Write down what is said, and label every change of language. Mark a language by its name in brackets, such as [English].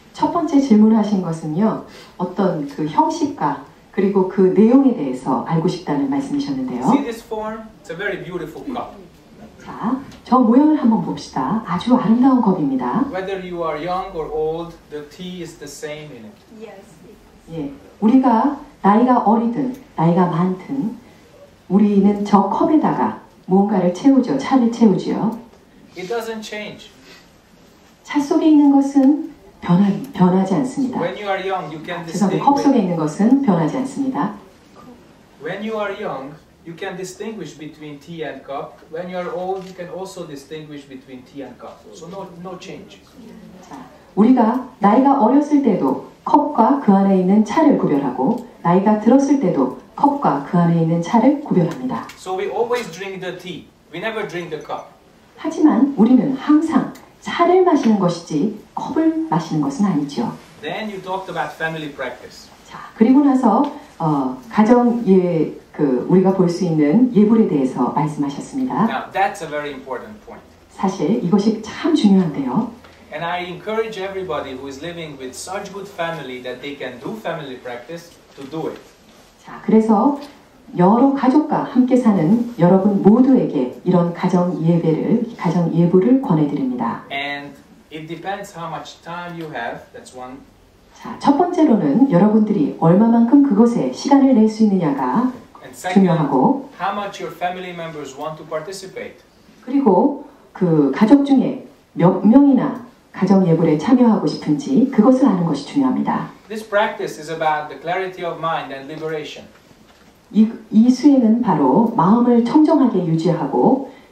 [Korean] 첫 번째 질문을 하신 것은요. 어떤 그 형식과 그리고 그 내용에 대해서 알고 싶다는 말씀이셨는데요. [English] See this form? It's a very beautiful cup. [Korean] 자, 저 모형을 한번 봅시다. 아주 아름다운 겁입니다. [English] Whether you are young or old, the tea is the same in it. Yes. [Korean] 예, 우리가 나이가 어리든 나이가 많든 우리는 저 컵에다가 무언가를 채우죠. 차를 채우죠. [English] It doesn't change. [Korean] 차 속에 있는 것은 변하지 않습니다. [English] When you are young, you can distinguish. [Korean] 죄송합니다. 컵 속에 있는 것은 변하지 않습니다. [English] When you are young, you can distinguish between tea and cup. When you are old, you can also distinguish between tea and cup. So no change. [Korean] 자, 우리가 나이가 어렸을 때도 컵과 그 안에 있는 차를 구별하고 나이가 들었을 때도 컵과 그 안에 있는 차를 구별합니다. [English] So we always drink the tea. We never drink the cup. [Korean] 하지만 우리는 항상 차를 마시는 것이지 컵을 마시는 것은 아니죠. [English] Then you talked about family practice. [Korean] 자, 그리고 나서 가정의 그 우리가 볼 수 있는 예불에 대해서 말씀하셨습니다. [English] Now, that's a very important point. [Korean] 사실 이것이 참 중요한데요. [English] And I encourage everybody who is living with such good family that they can do family practice to do it. [Korean] 자, 그래서 여러 가족과 함께 사는 여러분 모두에게 이런 가정 예배를 가정 예불을 권해 드립니다. [English] And it depends how much time you have. That's one. [Korean] 자, 첫 번째로는 여러분들이 얼마만큼 그것에 시간을 낼 수 있느냐가 중요하고, [English] how much your family members want to participate. [Korean] 그리고 그 가족 중에 몇 명이나 가정 예불에 참여하고 싶은지 그것을 아는 것이 중요합니다. [English] This practice is about the clarity of mind and liberation. [Korean] 이 수행은 바로 마음을 청정하게 유지하고